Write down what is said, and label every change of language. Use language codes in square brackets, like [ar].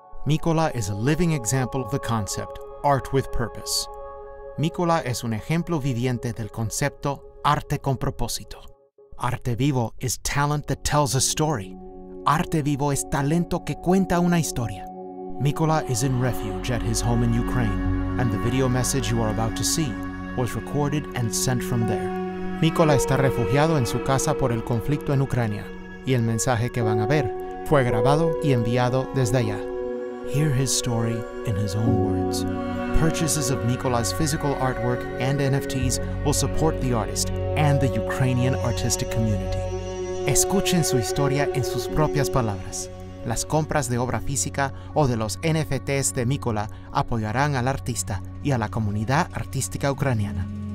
[en] Mykola is a living example of the concept art with purpose. [es] Mykola es un ejemplo viviente del concepto arte con propósito. [en] Arte Vivo is talent that tells a story. [es] Arte Vivo es talento que cuenta una historia. [en] Mykola is in refuge at his home in Ukraine, and the video message you are about to see was recorded and sent from there. [es] Mykola está refugiado en su casa por el conflicto en Ucrania, y el mensaje que van a ver fue grabado y enviado desde allá. [en] Hear his story in his own words. Purchases of Mykola's physical artwork and NFTs will support the artist and the Ukrainian artistic community. [es] Escuchen su historia en sus propias palabras. Las compras de obra física o de los NFTs de Mykola apoyarán al artista y a la comunidad artística ucraniana.